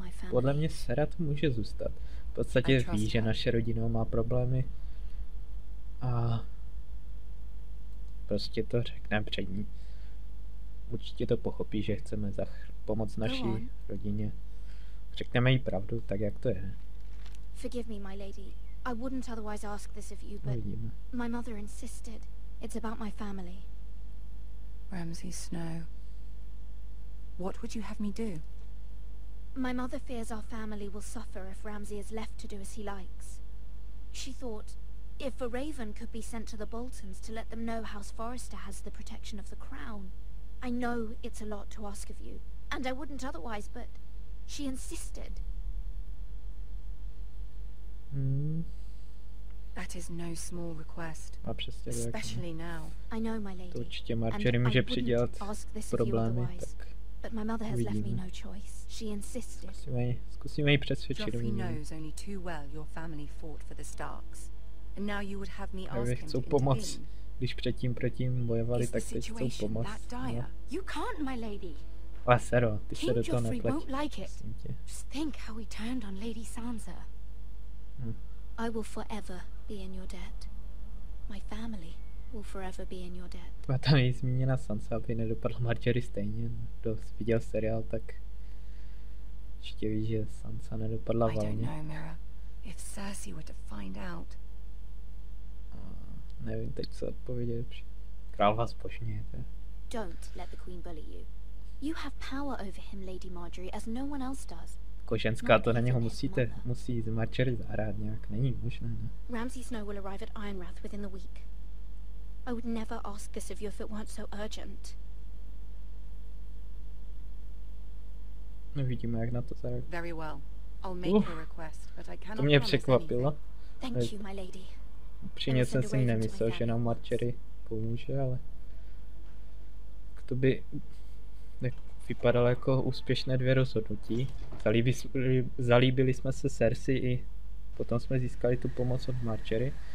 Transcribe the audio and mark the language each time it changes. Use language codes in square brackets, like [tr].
[cs] Podle mě Sarah to může zůstat. V podstatě ví, že naše rodina má problémy. A prostě to řekne před ní. Určitě to pochopí, že chceme pomoct naší rodině. Řekneme jí pravdu, tak jak to je. [en] Forgive me, my lady. I wouldn't otherwise ask this of you, but my mother insisted. It's about my family. Ramsay Snow. What would you have me do? My mother fears our family will suffer if Ramsay is left to do as he likes. She thought, if a raven could be sent to the Boltons to let them know House Forrester has the protection of the crown. I know it's a lot to ask of you, and I wouldn't otherwise, but she insisted. That is no small request. [cs] A přesně tak. [en] Especially now. I know, my lady. [cs] To určitě Marjorie může přidělat problémy, tak [en] but my mother has left me no choice. She insisted. [cs] Zkusíme jí přesvědčit. [en] Joffrey knows only too well your family fought for the Starks, and now you would have me ask him to [cs] chcou pomoc, když předtím proti jim bojovali, tak teď chcou pomoc. [en] No. You can't, my lady. [cs] Lasero, ty se do toho nepleť. [en] Like just think how we turned on Lady Sansa. I will forever be in your debt. My family will forever be in your debt. [cs] A tam je zmíněna Sansa, aby nedopadla Margaery stejně. Kdo viděl seriál, tak určitě ví, že Sansa nedopadla valně. [en] I don't know, Mira. If Cersei were to find out. [cs] Nevím teď, co odpovědět. Král vás pošněte. [en] Don't let the queen bully you. You have power over him, Lady Margaery, as no one else does. [cs] Jako ženská, to na něho musíte, musí z Marjorie zahrát nějak, není možné, ne? [en] Ramsay Snow will arrive at Ironwrath within the week. I would never ask this of you if it weren't so urgent. [cs] No, vidíme, jak na to zareaguje. [en] Very well. I'll make your request, but I cannot. [cs] To mě překvapilo. [en] Thank you, my lady. [cs] Upřímně jsem si nemyslel, že nám Marjorie pomůže, ale to by vypadalo jako úspěšné dvě rozhodnutí. Zalíbili jsme se Cersei i potom jsme získali tu pomoc od Marjorie.